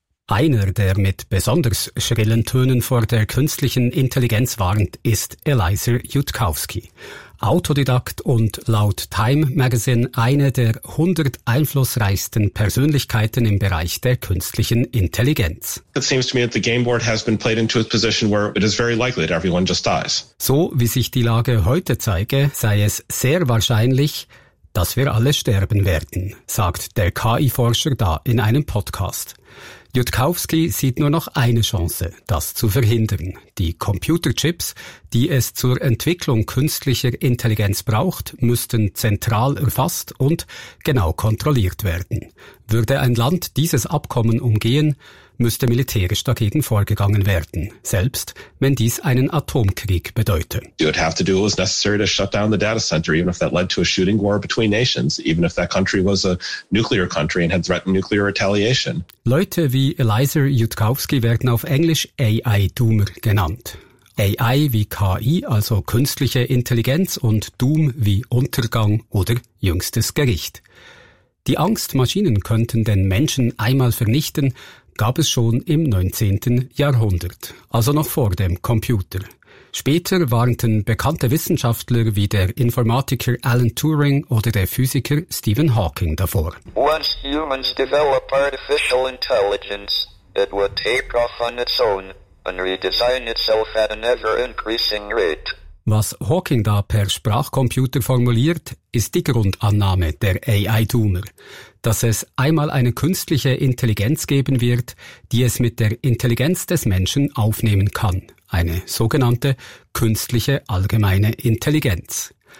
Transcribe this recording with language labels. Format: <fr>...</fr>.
<de>Einer, der mit besonders schrillen Tönen vor der künstlichen Intelligenz warnt, ist Eliezer Yudkowsky. Autodidakt und laut Time Magazine eine der 100 einflussreichsten Persönlichkeiten im Bereich der künstlichen Intelligenz.</de> <en>It seems to me that the game board has been played into a position where it is very likely that everyone just dies.</en> <de>So wie sich die Lage heute zeige, sei es sehr wahrscheinlich, dass wir alle sterben werden, sagt der KI-Forscher da in einem Podcast. Yudkowsky sieht nur noch eine Chance, das zu verhindern. Die Computerchips, die es zur Entwicklung künstlicher Intelligenz braucht, müssten zentral erfasst und genau kontrolliert werden. Würde ein Land dieses Abkommen umgehen, müsste militärisch dagegen vorgegangen werden, selbst wenn dies einen Atomkrieg bedeute.</de> <en>You would have to do what was necessary to shut down the data center, even if that led to a shooting war between nations, even if that country was a nuclear country and had threatened nuclear retaliation.</en> <de>Leute wie Eliezer Yudkowsky werden auf Englisch AI-Doomer genannt. AI wie KI, also künstliche Intelligenz, und Doom wie Untergang oder jüngstes Gericht. Die Angst, Maschinen könnten den Menschen einmal vernichten, gab es schon im 19. Jahrhundert, also noch vor dem Computer. Später warnten bekannte Wissenschaftler wie der Informatiker Alan Turing oder der Physiker Stephen Hawking davor.</de> <en>Once humans develop artificial intelligence, it would take off on its own and redesign itself at an ever-increasing rate.</en> <de>Was Hawking da per Sprachcomputer formuliert, ist die Grundannahme der AI-Doomer, dass es einmal eine künstliche Intelligenz geben wird, die es mit der Intelligenz des Menschen aufnehmen kann, eine sogenannte künstliche allgemeine Intelligenz.</de>